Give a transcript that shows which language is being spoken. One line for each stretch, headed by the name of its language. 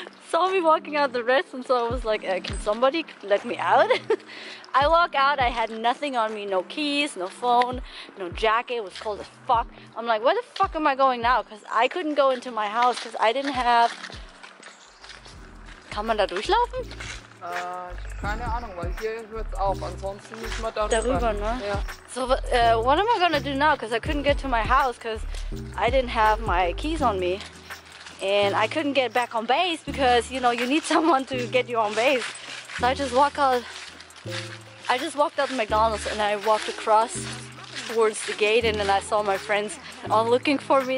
English: Saw me walking out the restroom, so I was like, can somebody let me out? I walk out, I had nothing on me, no keys, no phone, no jacket, it was cold as fuck. I'm like, where the fuck am I going now? Because I couldn't go into my house because I didn't have...
German: Kann man da durchlaufen? Keine Ahnung, weil hier hört es auf, ansonsten muss man da darüber, ne? Ja.
English: So, what am I gonna do now? Because I couldn't get to my house because I didn't have my keys on me. And I couldn't get back on base because, you know, you need someone to get you on base. So I just walked out the McDonald's and I walked across towards the gate, and then I saw my friends all looking for me.